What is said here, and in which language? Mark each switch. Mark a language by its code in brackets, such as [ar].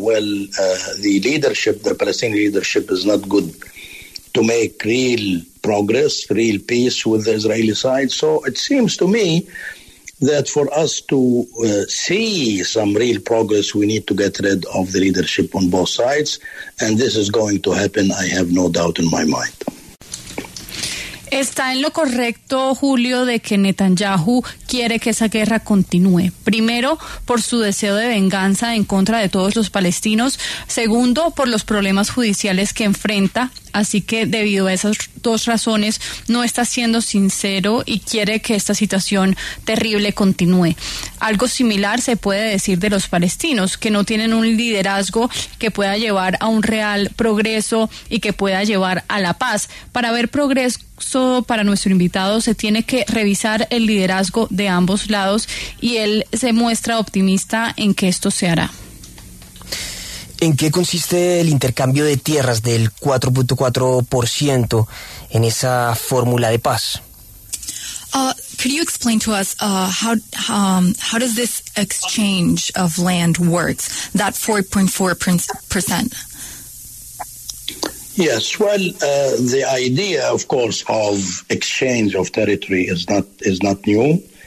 [en] Well, the Palestinian leadership is not good to make real progress, real peace with the Israeli side. So it seems to me that for us to see some real progress, we need to get rid of the leadership on both sides. And this is going to happen, I have no doubt in my mind. [es] ¿Está en lo correcto, Julio, de que Netanyahu quiere que esa guerra continúe? Primero, por su deseo de venganza en contra de todos los palestinos. Segundo, por los problemas judiciales que enfrenta. Así que, debido a esas dos razones, no está siendo sincero y quiere que esta situación terrible continúe. Algo similar se puede decir de los palestinos, que no tienen un liderazgo que pueda llevar a un real progreso y que pueda llevar a la paz. Para ver progreso para nuestro invitado, se tiene que revisar el liderazgo de ambos lados, y él se muestra optimista en que esto se hará. ¿En qué consiste el intercambio de tierras del 4.4% en esa fórmula de paz? [en] Could you explain to us how does this exchange of land works, that 4.4%? Yes, well, the idea, of course, of exchange of territory is not new.